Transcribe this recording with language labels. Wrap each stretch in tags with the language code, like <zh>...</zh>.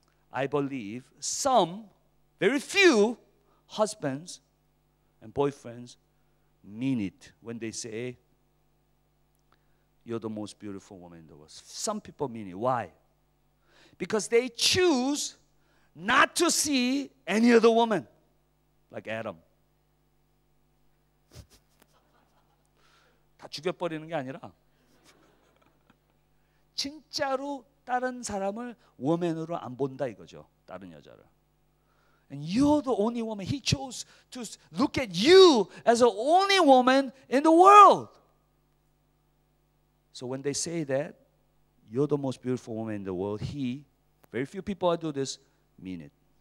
<en>I believe some, very few husbands and boyfriends mean it when they say you're the most beautiful woman in the world. Some people mean it. Why? Because they choose not to see any other woman like Adam.</en> <ko>다 죽여버리는 게 아니라 진짜로 다른 사람을 워맨으로 안 본다 이거죠. 다른 여자를.</ko> <en>And you're the only woman. He chose to look at you as the only woman in the world. So when they say that, you're the most beautiful woman in the world, he, very few people do this, mean it.</en>